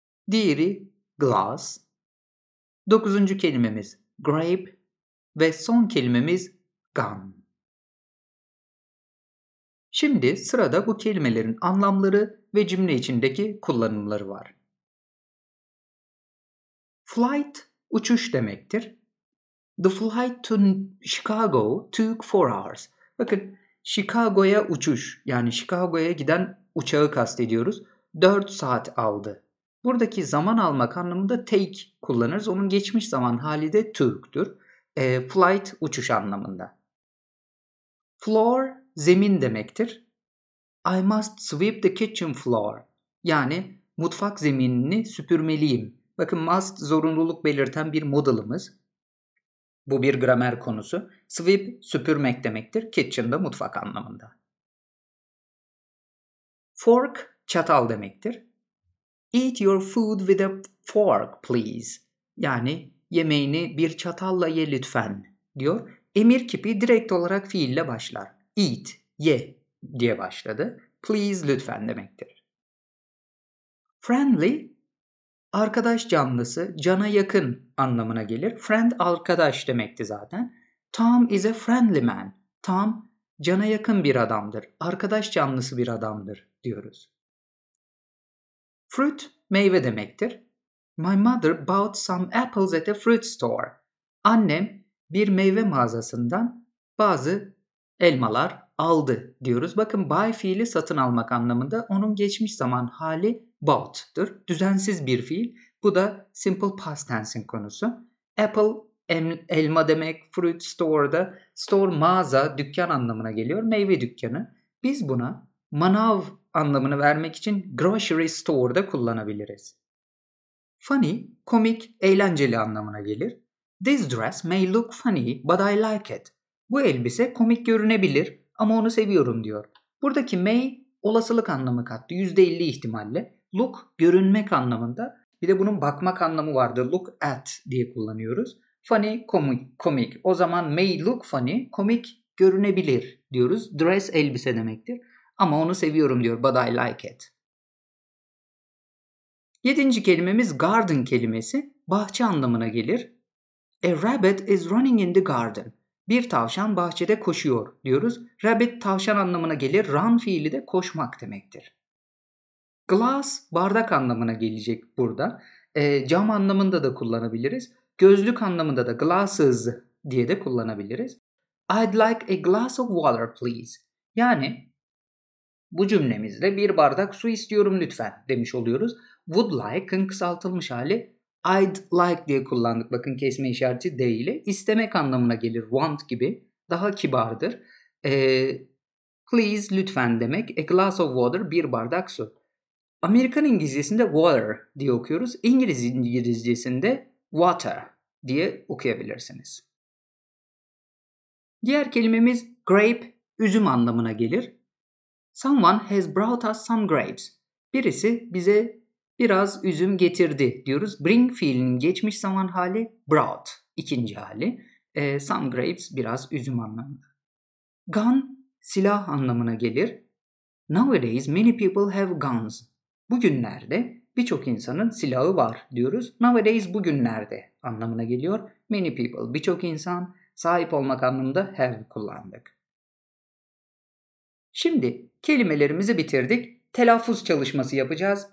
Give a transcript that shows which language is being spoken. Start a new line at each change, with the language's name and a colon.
Turkish: Diğeri glass. Dokuzuncu kelimemiz grape. Ve son kelimemiz gun. Şimdi sırada bu kelimelerin anlamları ve cümle içindeki kullanımları var. Flight, uçuş demektir.
English: The flight to Chicago took 4 hours.
Turkish: Bakın, Chicago'ya uçuş, yani Chicago'ya giden uçağı kastediyoruz. 4 saat aldı. Buradaki zaman almak anlamında take kullanırız. Onun geçmiş zaman hali de took'tür. Flight, uçuş anlamında. Floor, zemin demektir.
English: I must sweep the kitchen floor.
Turkish: Yani mutfak zeminini süpürmeliyim. Bakın, must zorunluluk belirten bir modalımız. Bu bir gramer konusu. Sweep, süpürmek demektir. Kitchen de mutfak anlamında. Fork, çatal demektir.
English: Eat your food with a fork, please.
Turkish: Yani yemeğini bir çatalla ye lütfen, diyor. Emir kipi direkt olarak fiille başlar. Eat, ye diye başladı. Please, lütfen demektir. Friendly, arkadaş canlısı, cana yakın anlamına gelir.
English: Friend,
Turkish: arkadaş demekti zaten.
English: Tom is a friendly man.
Turkish: Tom, cana yakın bir adamdır. Arkadaş canlısı bir adamdır, diyoruz. Fruit, meyve demektir.
English: My mother bought some apples at a fruit store.
Turkish: Annem bir meyve mağazasından bazı elmalar aldı, diyoruz. Bakın, buy fiili satın almak anlamında, onun geçmiş zaman hali bought'tır. Düzensiz bir fiil. Bu da simple past tense'in konusu. Apple, elma demek. Fruit store'da, store mağaza, dükkan anlamına geliyor. Meyve dükkanı. Biz buna manav anlamını vermek için grocery store'da kullanabiliriz. Funny, komik, eğlenceli anlamına gelir.
English: This dress may look funny, but I like it.
Turkish: Bu elbise komik görünebilir ama onu seviyorum, diyor. Buradaki may olasılık anlamı kattı, %50 ihtimalle. Look, görünmek anlamında. Bir de bunun bakmak anlamı vardı. Look at diye kullanıyoruz. Funny, komik. O zaman
English: may look funny,
Turkish: komik görünebilir diyoruz. Dress, elbise demektir. Ama onu seviyorum, diyor.
English: But I like it.
Turkish: Yedinci kelimemiz garden kelimesi. Bahçe anlamına gelir.
English: A rabbit is running in the garden.
Turkish: Bir tavşan bahçede koşuyor, diyoruz. Rabbit, tavşan anlamına gelir. Run fiili de koşmak demektir. Glass, bardak anlamına gelecek burada. Cam anlamında da kullanabiliriz. Gözlük anlamında da glasses diye de kullanabiliriz.
English: I'd like a glass of water, please.
Turkish: Yani bu cümlemizle bir bardak su istiyorum lütfen demiş oluyoruz. Would like'ın kısaltılmış hali I'd like diye kullandık. Bakın, kesme işareti de ile istemek anlamına gelir. Want gibi daha kibardır. Please, lütfen demek. A glass of water, bir bardak su. Amerikan İngilizcesinde water diye okuyoruz. İngiliz İngilizcesinde water diye okuyabilirsiniz. Diğer kelimemiz grape, üzüm anlamına gelir.
English: Someone has brought us some grapes.
Turkish: Birisi bize biraz üzüm getirdi, diyoruz. Bring fiilinin geçmiş zaman hali brought, ikinci hali. Some grapes, biraz üzüm anlamında. Gun, silah anlamına gelir.
English: Nowadays many people have guns.
Turkish: Bugünlerde birçok insanın silahı var, diyoruz. Nowadays, bugünlerde anlamına geliyor. Many people, birçok insan, sahip olmak anlamında have kullandık. Şimdi kelimelerimizi bitirdik. Telaffuz çalışması yapacağız.